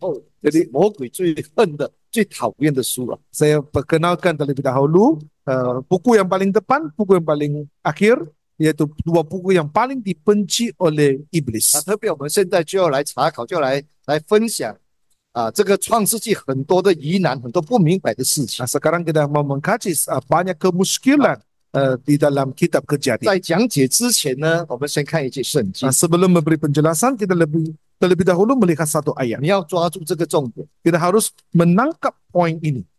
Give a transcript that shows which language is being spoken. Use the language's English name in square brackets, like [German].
[Chinese] 跟大家介绍创世纪跟启示录比前以后，这是魔鬼最恨的、最讨厌的书了。 [Malay] Saya perkenalkan terlebih dahulu buku yang paling depan, buku yang paling akhir, yaitu dua buku yang paling dibenci oleh iblis. [Chinese] 特别我们现在就要来查考，就来分享啊，这个创世纪很多的疑难，很多不明白的事情。 [Malay] Nah, sekarang kita mau mengkaji banyak kemusykilan di dalam kitab kejadian. [Chinese] 在讲解之前呢，我们先看一节圣经。 [Malay] Sebelum memberi penjelasan, kita lebih terlebih dahulu melihat satu ayat. [Chinese] 你要抓住这个重点。 [Malay] Kita harus menangkap poin ini.